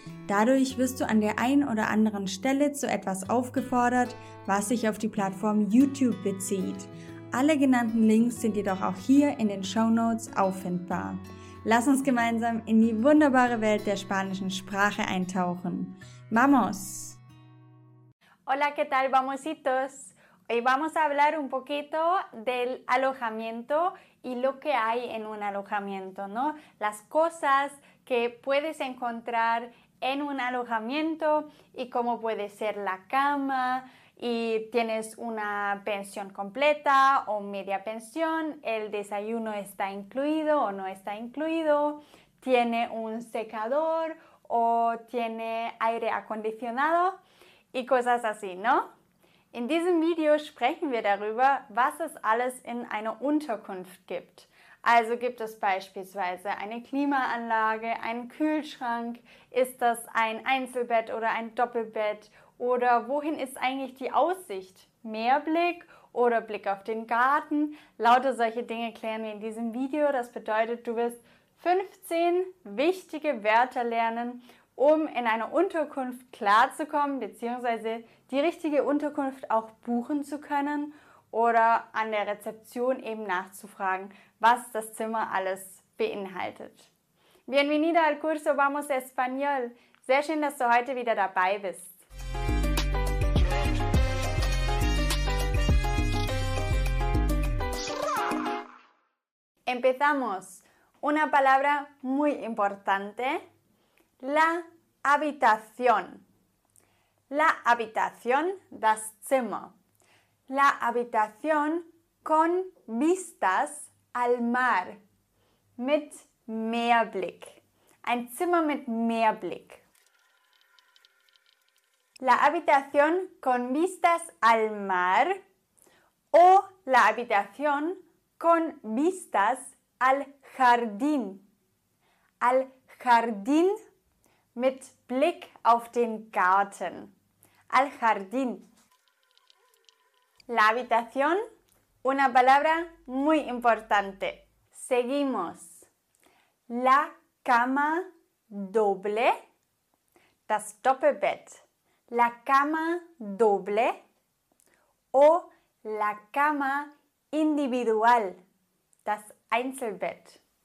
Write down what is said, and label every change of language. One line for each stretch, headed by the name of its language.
German: Dadurch wirst du an der einen oder anderen Stelle zu etwas aufgefordert, was sich auf die Plattform YouTube bezieht. Alle genannten Links sind jedoch auch hier in den Shownotes auffindbar. Lass uns gemeinsam in die wunderbare Welt der spanischen Sprache eintauchen.
Spanish: ¡Vamos! Hola, ¿qué tal, vamositos? Hoy vamos a hablar un poquito del alojamiento y lo que hay en un alojamiento, ¿no? Las cosas que puedes encontrar en un alojamiento y cómo puede ser la cama, y tienes una pensión completa o media pensión, el desayuno está incluido o no está incluido, tiene un secador o tiene aire acondicionado y cosas así, ¿no?
German: In diesem Video sprechen wir darüber, was es alles in einer Unterkunft gibt. Also gibt es beispielsweise eine Klimaanlage, einen Kühlschrank, ist das ein Einzelbett oder ein Doppelbett? Oder wohin ist eigentlich die Aussicht? Meerblick oder Blick auf den Garten? Lauter solche Dinge klären wir in diesem Video. Das bedeutet, du wirst 15 wichtige Wörter lernen, um in einer Unterkunft klarzukommen bzw. die richtige Unterkunft auch buchen zu können oder an der Rezeption eben nachzufragen, was das Zimmer alles beinhaltet.
Spanish: Bienvenida al curso Vamos Español.
German: Sehr schön, dass du heute wieder dabei bist.
Spanish: Empezamos. Una palabra muy importante, la habitación. La habitación,
German: das Zimmer.
Spanish: La habitación con vistas al mar,
German: mit Meerblick. Ein Zimmer mit Meerblick.
Spanish: La habitación con vistas al mar o la habitación con vistas al jardín. Al jardín,
German: mit Blick auf den Garten.
Spanish: Al jardín. La habitación, una palabra muy importante. Seguimos. La cama doble,
German: das Doppelbett.
Spanish: La cama doble o la cama individual,
German: das Einzelbett.